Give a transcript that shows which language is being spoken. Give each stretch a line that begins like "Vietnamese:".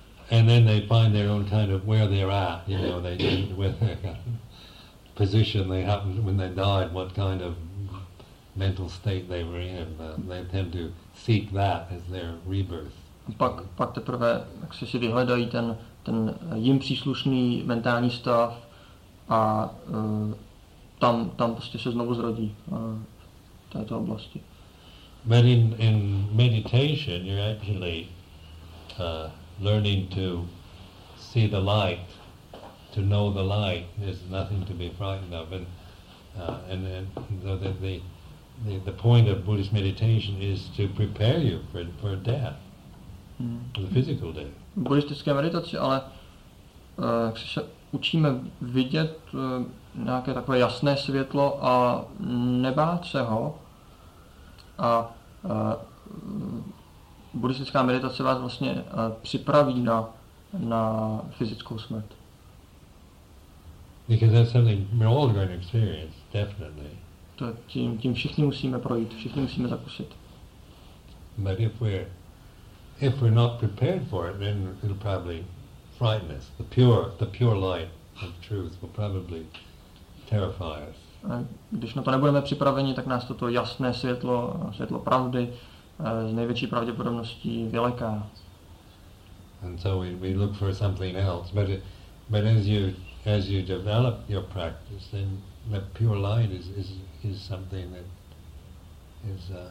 English: And then they find their own kind of where they're at, you know, they with position they happened when they died, what kind of mental state they were in. They tend to seek that as their rebirth.
Czech: Pak teprve, jak si vyhledají ten jim příslušný mentální stav a tam prostě se znovu zrodí v této oblasti.
English: But in meditation you're actually learning to see the light. To know the light, there's nothing to be frightened of, and the point of Buddhist meditation is to prepare you for death, for the physical death.
Czech: V buddhistické meditaci, ale když se učíme vidět nějaké takové jasné světlo a nebát se ho, a buddhistická meditace vás vlastně připraví na na fyzickou smrt.
English: Because that's something we're all going to experience, definitely.
Czech: To tím všichni musíme projít, všichni musíme zakusit.
English: But if we're not prepared for it, then it'll probably frighten us. The pure light of truth will probably terrify us.
Czech: Když na to nebudeme připraveni, tak nás toto jasné světlo pravdy s největší pravděpodobností vyleká.
English: And so we look for something else, but as you develop your practice, then the pure light is something that is